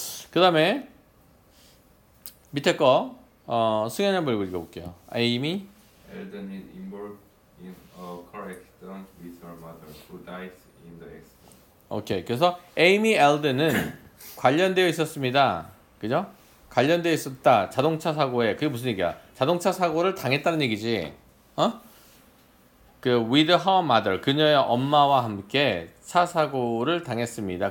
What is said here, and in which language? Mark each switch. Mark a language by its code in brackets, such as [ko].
[ko] 그 다음에 밑에 거 승현이 한번 읽어볼게요. [en] Amy Eden is involved in a car accident with her mother who dies in the accident. [ko] 오케이. 그래서 에이미 엘든은 관련되어 있었습니다. 그죠? 관련되어 있었다. 자동차 사고에. 그게 무슨 얘기야? 자동차 사고를 당했다는 얘기지. 어? 그 [en] with her mother, [ko] 그녀의 엄마와 함께 차 사고를 당했습니다.